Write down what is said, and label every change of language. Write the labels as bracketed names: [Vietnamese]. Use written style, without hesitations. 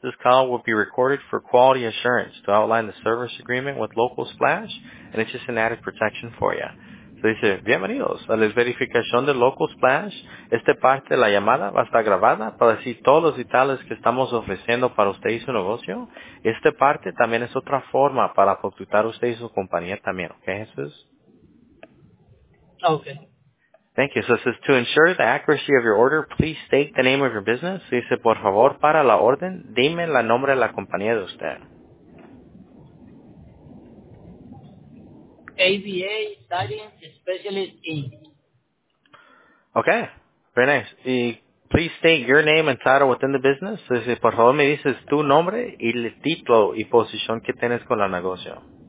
[English] This call will be recorded for quality assurance to outline the service agreement with Local Splash, and it's just an added protection for you. [Spanish] So dice, bienvenidos a la verificación de Local Splash. Esta parte de la llamada va a estar grabada para decir todos los detalles que estamos ofreciendo para usted y su negocio. Esta parte también es otra forma para facturar usted y su compañía también, ¿ok, Jesús? [English] Okay. Thank you. So it says, to ensure the accuracy of your order, please state the name of your business. [Spanish] Dice, por favor, para la orden, dime el nombre de la compañía de usted. [English] ABA Science Specialist Inc. Okay. Very nice. Y please state your name and title within the business. [Spanish] Dice, por favor, me dices tu nombre y el título y posición que tienes con el negocio.